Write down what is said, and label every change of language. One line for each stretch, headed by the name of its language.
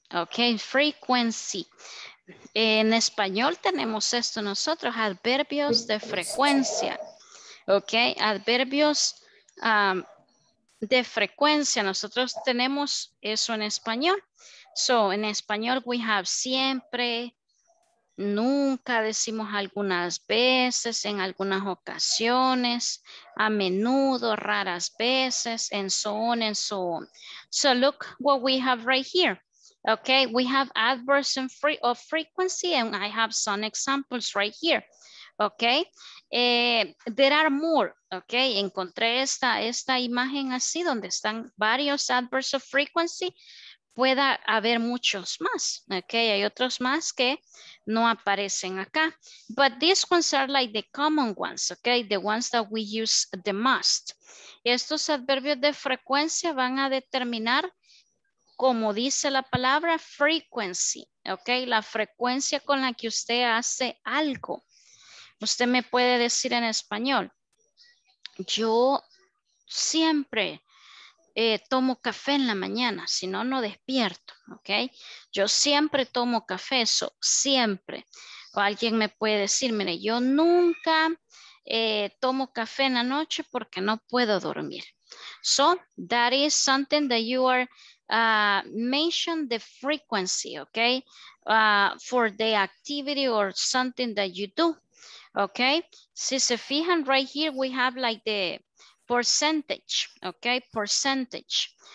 Spanish: Okay, frequency. En español tenemos esto nosotros, adverbios de frecuencia, ok, adverbios de frecuencia, nosotros tenemos eso en español, so en español
English: we have
Spanish: siempre, nunca, decimos algunas veces, en algunas ocasiones, a menudo, raras veces,
English: and so on and so on. So look what we have right here. Okay, we have adverbs and free of frequency, and I have some examples right here. Okay, there are more.
Spanish: Okay, encontré esta imagen así donde están varios
English: adverbs of frequency.
Spanish: Pueda haber muchos más. Okay, hay otros más que no aparecen acá.
English: But these ones are like the common ones. Okay, the ones that we use the most.
Spanish: Estos adverbios de frecuencia van a determinar, como dice la palabra, frequency, ok, la frecuencia con la que usted hace algo. Usted me puede decir en español, yo siempre tomo café en la mañana, si no, no despierto, ok, yo siempre tomo café, eso, siempre. O alguien me puede decir, mire, yo nunca tomo café en la noche porque no puedo dormir.
English: So, that is something that you are mention the frequency, okay, for the activity or something that you do, okay.
Spanish: Si se fijan
English: right here, we have like the percentage, okay, percentage.